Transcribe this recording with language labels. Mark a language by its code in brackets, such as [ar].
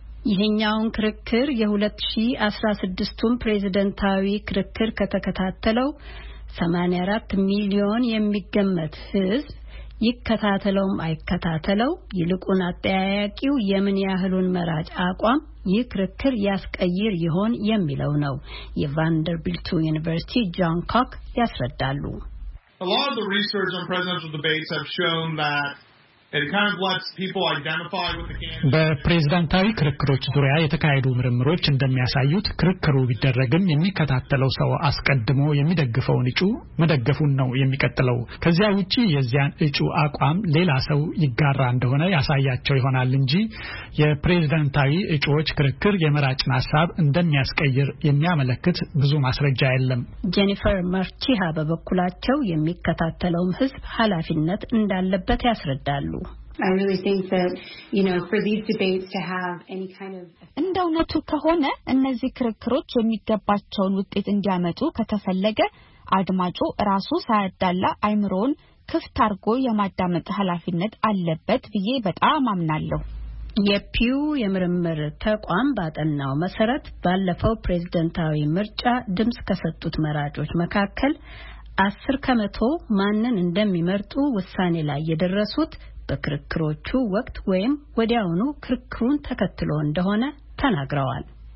[am] ይሄኛውን ክርክር የ2016ቱን ፕሬዝዳንታዊ ክርክር ከተከታተለው 84 ሚሊዮን የሚገመት ህዝብ ይከታተለውም አይከታተለው ይልቁን አጠያያቂው የምን ያህሉን መራጭ አቋም ይክርክር ያስቀይር ይሆን የሚለው ነው። የቫንደርቢልቱ ዩኒቨርሲቲ ጆን ኮክ ያስረዳሉ። [en] A lot of the research on presidential debates have shown that it kind of lets people identify with the candidate. [am] በፕሬዝዳንታዊ ክርክሮች ዙሪያ የተካሄዱ ምርምሮች እንደሚያሳዩት ክርክሩ ቢደረግም የሚከታተለው ሰው አስቀድሞ የሚደግፈውን እጩ መደገፉን ነው የሚከተለው። ከዚያ ውጪ የዚያን እጩ አቋም ሌላ ሰው ይጋራ እንደሆነ ያሳያቸው ይሆናል እንጂ የፕሬዝዳንታዊ እጩዎች ክርክር የመራጭን ሐሳብ እንደሚያስቀይር የሚያመለክት ብዙ ማስረጃ የለም። ጄኒፈር ማርቺሃ በበኩላቸው የሚከታተለውም ህዝብ ኃላፊነት እንዳለበት ያስረዳሉ። [en] I really think that, you know, for these debates to have any kind of [am] እንደውነቱ ከሆነ እነዚህ ክርክሮች የሚገባቸውን ውጤት እንዲያመጡ ከተፈለገ አድማጩ ራሱ ሳይዳላ አይምሮን ክፍት አርጎ የማዳመጥ ኃላፊነት አለበት ብዬ በጣም አምናለሁ። የፒው የምርምር ተቋም ባጠናው መሰረት ባለፈው ፕሬዝዳንታዊ ምርጫ ድምጽ ከሰጡት መራጮች መካከል 10 ከመቶ ማንን እንደሚመርጡ ውሳኔ ላይ የደረሱት በክርክሮቹ ወቅት ወይም ወዲያውኑ ክርክሩን ተከትሎ እንደሆነ ተናግረዋል።